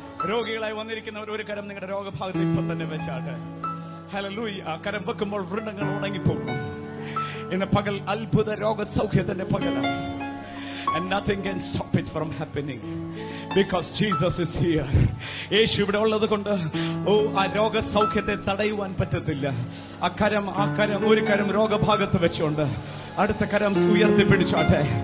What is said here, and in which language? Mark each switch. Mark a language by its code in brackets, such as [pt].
[ml] രോഗികളായി വന്നിരിക്കുന്നവർ ഒരു കരം നിങ്ങളുടെ രോഗഭാഗത്ത് ഇപ്പൊ തന്നെ വെച്ചാട്ടെ. ഹല്ലേലൂയ. ആ കരം വെക്കുമ്പോൾ വൃണ്ണങ്ങൾ ഉണങ്ങിപ്പോകും. ഇന്ന് പകൽ അത്ഭുത രോഗസൗഖ്യത്തിന്റെ പകലാണ്. [en] And nothing can stop it from happening because Jesus is here. [ml] യേശു ഇവിടെ ഉള്ളതുകൊണ്ട് ഓ ആ രോഗസൗഖ്യത്തെ തടയുവാൻ പറ്റത്തില്ല. ആ കരം ഒരു കരം രോഗഭാഗത്ത് വെച്ചുകൊണ്ട് അടുത്ത കരം ഉയർത്തി പിടിച്ചാട്ടെ.